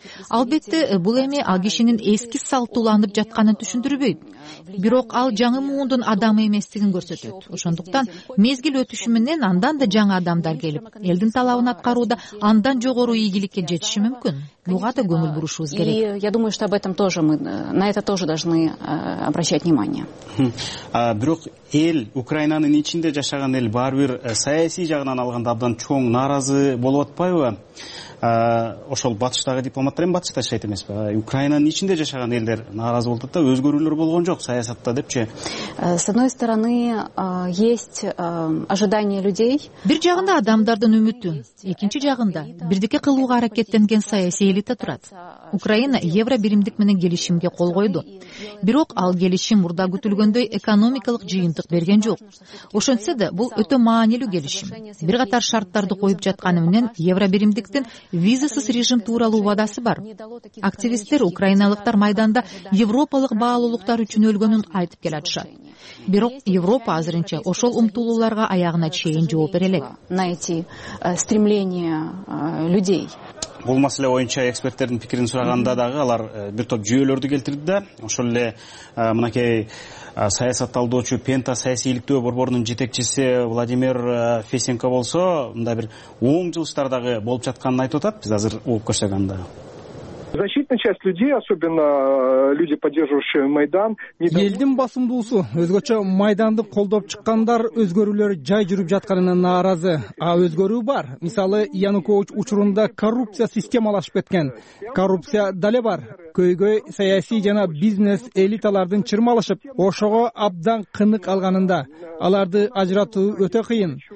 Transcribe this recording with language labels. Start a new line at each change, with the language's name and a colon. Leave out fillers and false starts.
Kyrgyz: Албетте, бул эми ал кишинин эски салтууланып жатканын түшүндүрбөйт. Бирок ал жаңы муундун адамы эместигин көрсөтөт. Ошондуктан мезгил өтүшү менен андан да жаңы адамдар келип, элдин талабын аткарууда андан жогору ийгиликке жетиши мүмкүн. Буга да көңүл бурушубуз керек.
Russian: Я думаю, что об этом тоже мы на это тоже должны обращать внимание.
Kyrgyz: Бирок эл Украинанын ичинде жашаган эл баары бир саясий жагынан алганда абдан чоң нааразы болуп атпайбы? Ошол батыштагы дипломаттар эми батышта жашайт эмеспи? Украинанын ичинде жашаган элдер нааразы болуп атат да, өзгөрүүлөр болгон жок саясатта депчи.
Russian: С одной стороны, есть ожидание людей.
Kyrgyz: Бир жагында адамдардын үмүтү, экинчи жагында бирдикке кылууга аракеттенген саясий элита турат. Украина Евробиримдик менен келишимге кол койду. Бирок ал келишим мурда күтүлгөндөй экономикалык жыйынтык берген жок. Ошентсе да, бул өтө маанилүү келишим. Бир катар шарттарды коюп жатканы менен Евробиримдиктин визасыз режим тууралуу убадасы бар. Активисттер украиналыктар майданда европалык баалуулуктар үчүн өлгөнүн айтып келатышат. Бирок Европа азырынча ошол умтулууларга аягына чейин жооп бере элек.
Russian: На эти стремления людей.
Kyrgyz: Бул маселе боюнча эксперттердин пикирин сураганда дагы алар бир топ жүйөлөрдү келтирди да, ошол эле мынакей саясат талдоочу Пента саясий иликтөө борборунун жетекчиси Владимир Фесенко болсо, мындай бир оң жылыштардагы болуп жатканын айтып атат. Биз азыр угуп көрсөк анда.
Russian: Защитная часть людей, особенно люди, поддерживающие Майдан,
Kyrgyz: элдин басымдуусу, өзгөчө майданды колдоп чыккандар өзгөрүүлөр жай жүрүп жатканына нааразы. А өзгөрүү бар. Мисалы, Янукович учурунда коррупция системалашып кеткен. Коррупция дале бар. Көйгөй саясий жана бизнес элиталардын чырмалышып, ошого абдан кынык алганында аларды ажыратуу өтө кыйын.